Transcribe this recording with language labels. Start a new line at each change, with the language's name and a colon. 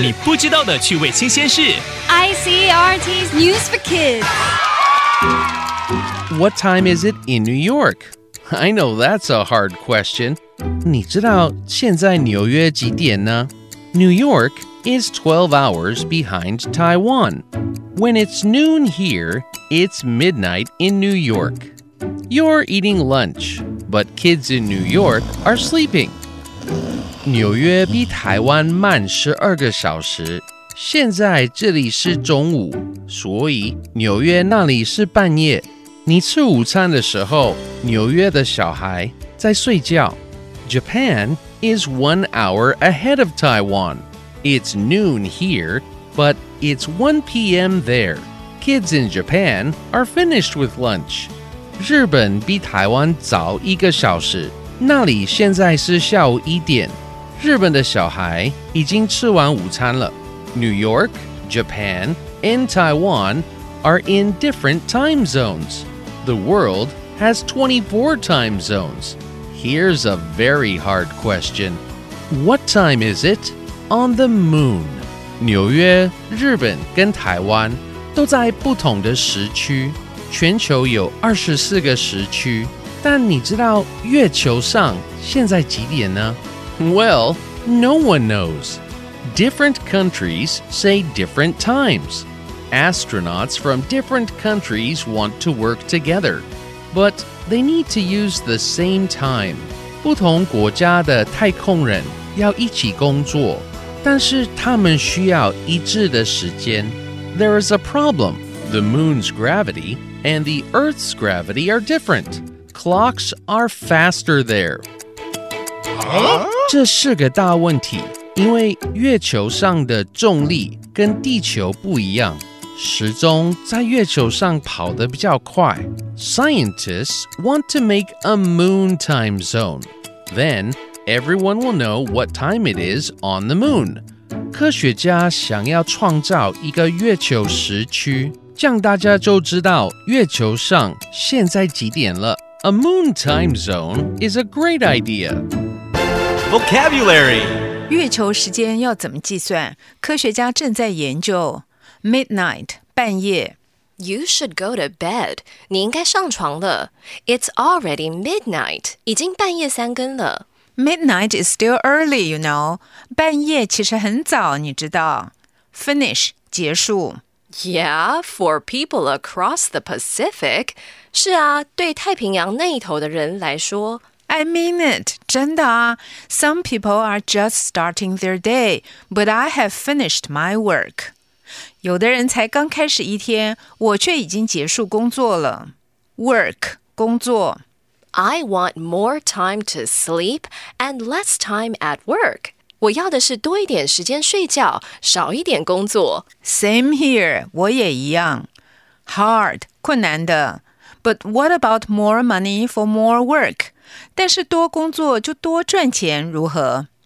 Chinese: 你不知道的趣味新鲜事
English: ，ICRT's News for Kids. What time is it in New York? I know that's a hard question.
Chinese: 你知道现在纽约几点呢？
English: New York is 12 hours behind Taiwan. When it's noon here, it's midnight in New York. You're eating lunch, but kids in New York are sleeping.
Chinese: 纽约比台湾慢12个小时，现在这里是中午，所以纽约那里是半夜。你吃午餐的时候，纽约的小孩在睡觉。
English: Japan is 1 hour ahead of Taiwan. It's noon here, but it's 1 p.m. there. Kids in Japan are finished with lunch.
Chinese: 日本比台湾早一个小时，那里现在是下午一点。日本的小孩已经吃完午餐了。
English: New York, Japan, and Taiwan are in different time zones. The world has 24 time zones. Here's a very hard question. What time is it on the moon?
Chinese: 纽约、日本跟台湾都在不同的时区，全球有24个时区，但你知道月球上现在几点呢？
English: Well, no one knows. Different countries say different times. Astronauts from different countries want to work together, but they need to use the same time.
Chinese: 不同国家的太空人要一起工作，但是他们需要一致的时间。
English: There is a problem. The moon's gravity and the Earth's gravity are different. Clocks are faster there.
Chinese: 这是个大问题，因为月球上的重力跟地球不一样，时钟在月球上跑得比较快。
English: Scientists want to make a moon time zone. Then everyone will know what time it is on the moon.
Chinese: 科学家想要创造一个月球时区，这样大家就知道月球上现在几点了。
English: A moon time zone is a great idea. Vocabulary.
Chinese: 月球时间要怎么计算？科学家正在研究。
English: Midnight,
Chinese: 半夜。
English: You should go to bed.
Chinese: 你应该上床了。
English: It's already midnight.
Chinese: 已经半夜三更了。
English: Midnight is still early, you know.
Chinese: 半夜其实很早，你知道。
English: Finish,
Chinese: 结束。
English: Yeah, for people across the Pacific.
Chinese: 是啊，对太平洋那一头的人来说。
English: I mean it,
Chinese: 真的啊。
English: Some people are just starting their day, but I have finished my work.
Chinese: 有的人才刚开始一天，我却已经结束工作了。
English: Work,
Chinese: 工作。
English: I want more time to sleep and less time at work.
Chinese: 我要的是多一点时间睡觉，少一点工作。
English: Same here,
Chinese: 我也一样。
English: Hard,
Chinese: 困难的。
English: But what about more money for more work?
Chinese: 但是多工作就多赚钱如何？